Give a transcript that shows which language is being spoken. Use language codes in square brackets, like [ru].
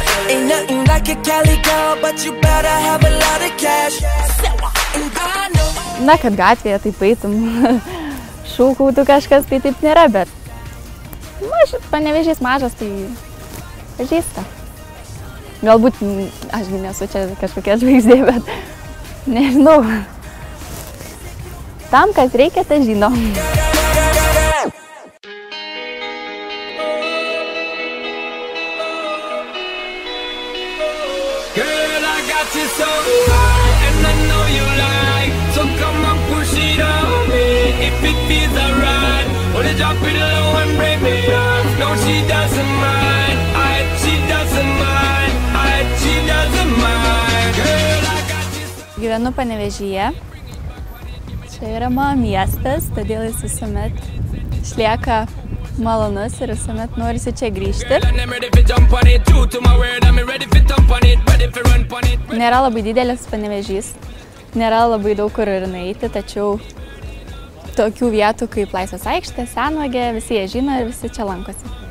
[en] Ain't nothing like a Cali girl, but you better have a lot of cash. [lt] Na, kad gatvėje taip eitum, šūkautų kažkas, tai taip nėra, bet mažas, Panevėžys mažas, tai pažįsta. Galbūt, aš nesu čia kažkokia žvaigždė, bet nežinau. Tam, kas reikia, tai žino. [en] Girl, I got you so high, and I know you like. So come on, push it on me, if it feels alright. Only drop it low and break me off. No, she doesn't mind, I, she doesn't mind, I, she doesn't mind. Girl, I got you so high. [lt] Gyvenu Panevėžyje. Čia yra mano miestas, todėl jis visuomet išlieka malonus ir visuomet norisi čia grįžti. Nėra labai didelis Panevėžys, nėra labai daug kur ir nueiti, tačiau tokių vietų kaip Laisvės aikštė, Senvagė, visi jie žino ir visi čia lankosi.